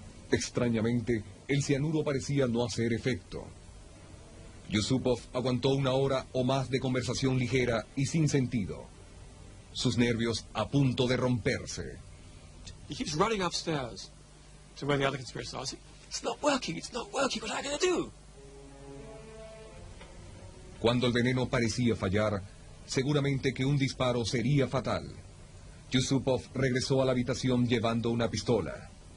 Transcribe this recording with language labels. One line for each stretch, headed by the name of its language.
Spanish: Extrañamente, el cianuro parecía no hacer efecto. Yusupov aguantó una hora o más de conversación ligera y sin sentido, sus nervios a punto de romperse.
English: He keeps running upstairs to where the other conspirators are. It's not working, what am I going to do?
Spanish: Cuando el veneno parecía fallar, seguramente que un disparo sería fatal. Yusupov regresó a la habitación llevando una pistola.